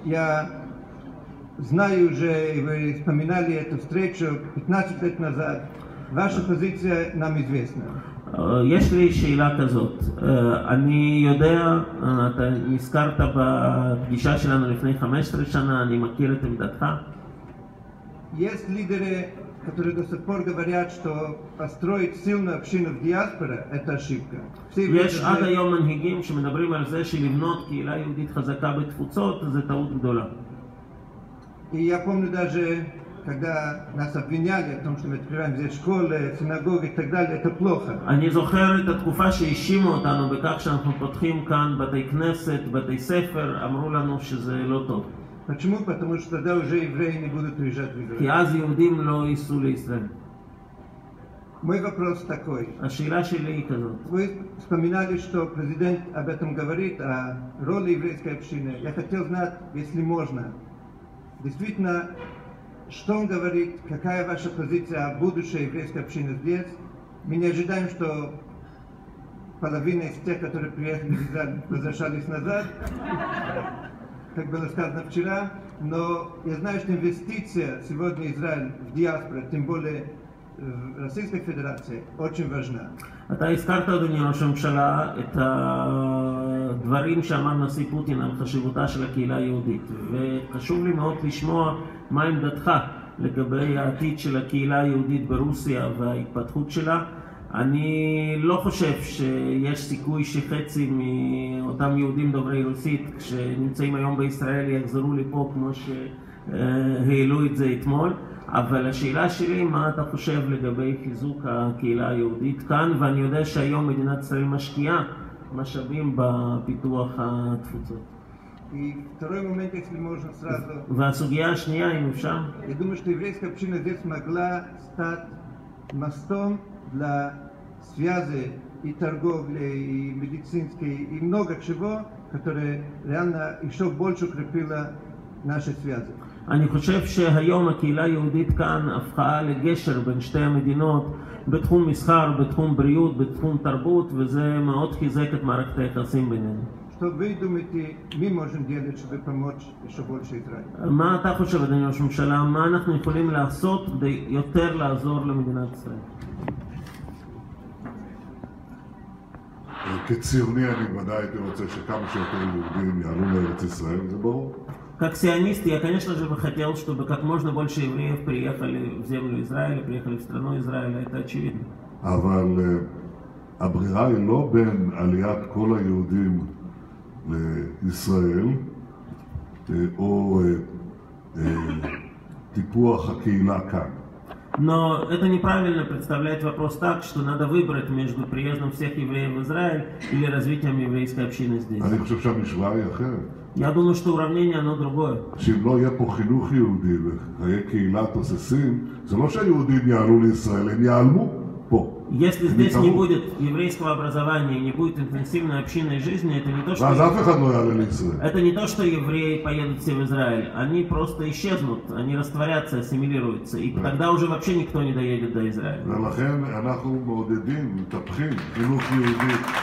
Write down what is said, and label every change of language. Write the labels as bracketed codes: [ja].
[ru] Я знаю уже, вы вспоминали эту встречу 15 лет назад. Ваша позиция нам известна. [he] יש לי שאלה כזאת. אני יודע, אתה נזכרת בפגישה שלנו לפני 15 שנה, אני מכיר את עמדתך. [ru] Есть лидеры, которые до сих пор говорят, что построить сильную общину в диаспоре – это ошибка. [he] יש עד היום מנהיגים שמדברים על זה שלבנות קהילה יהודית חזקה בתפוצות זה טעות גדולה. [ru] И я помню даже, когда нас обвиняли о том, что мы открываем здесь школы, синагоги и так далее, это плохо. [he] אני זוכר את התקופה שהאשימו אותנו בכך שאנחנו פותחים כאן בתי כנסת, בתי ספר, אמרו לנו שזה לא טוב. [ru] Почему? Потому что тогда уже евреи не будут приезжать в Израиль. [he] כי אז יהודים לא ייסעו לישראל. [ru] Мой вопрос такой. [he] השאלה שלי היא כזאת. [ru] Вы вспоминали, что президент об этом говорит, о роли еврейской общины. Я хотел знать, если можно, действительно, что он говорит, какая ваша позиция о будущей еврейской общине здесь. Мы не ожидаем, что половина из тех, которые приехали в Израиль, возвращались назад. Как было сказано вчера, но я знаю, что инвестиция сегодня в Израиль в диаспоре, тем более в Российской Федерации, очень важна. [he] אתה הזכרת, אדוני ראש הממשלה, את הדברים שאמר נשיא פוטין על חשיבותה של הקהילה היהודית, וחשוב לי מאוד לשמוע מה עמדתך לגבי העתיד של הקהילה היהודית ברוסיה וההתפתחות שלה. אני לא חושב שיש סיכוי שחצי מאותם יהודים דוברי רוסית שנמצאים היום בישראל יחזרו לפה כמו שהעלו את זה אתמול. אבל השאלה שלי, מה אתה חושב לגבי חיזוק הקהילה היהודית כאן? ואני יודע שהיום מדינת ישראל משקיעה משאבים בפיתוח התפוצות. [ru] И второй момент, если можно сразу... [he] והסוגיה השנייה, אם אפשר? [ru] Я думаю, что еврейская община здесь могла стать мостом для связи и торговли, и медицинской, и много чего, которое реально еще больше укрепило наши связи. [he] אני חושב שהיום הקהילה היהודית כאן הפכה לגשר בין שתי המדינות בתחום מסחר, בתחום בריאות, בתחום תרבות, וזה מאוד חיזק את מערכת היחסים בינינו. טוב, בואי דומיתי, מי מושם דיילת שווה פמות שבול שיתראית? מה אתה חושב, אדוני ראש ממשלה, מה אנחנו יכולים לעשות כדי יותר לעזור למדינת ישראל? כציוני אני ודאי הייתי רוצה שכמה שיותר יהודים יעלו לארץ ישראל, זה ברור? [ru] Как сионист, я, конечно же, бы хотел, чтобы как можно больше евреев приехали в землю Израиля, приехали в страну Израиля, это очевидно. [he] אבל הברירה היא לא בין עליית כל היהודים לישראל או טיפוח הקהילה כאן. [ru] Но это неправильно представлять вопрос так, что надо выбрать между приездом всех евреев в Израиль или развитием еврейской общины здесь. [he] אני חושב שהמשוואה היא אחרת. [ru] Я думаю, что уравнение оно другое. [he] שאם לא יהיה פה חינוך יהודי וחיי קהילה תוססים, זה לא שהיהודים יעלו לישראל, הם יעלמו פה. [ru] Если здесь не будет еврейского образования, не будет интенсивной общинной жизни, это не то, что... [he] ואז אף אחד לא יעלה לישראל. [ru] Это не то, что евреи поедут все в Израиль. Они просто исчезнут, они растворятся, ассимилируются. И тогда уже вообще никто не доедет до Израиля. [he] ולכן אנחנו מעודדים, מטפחים חינוך יהודי.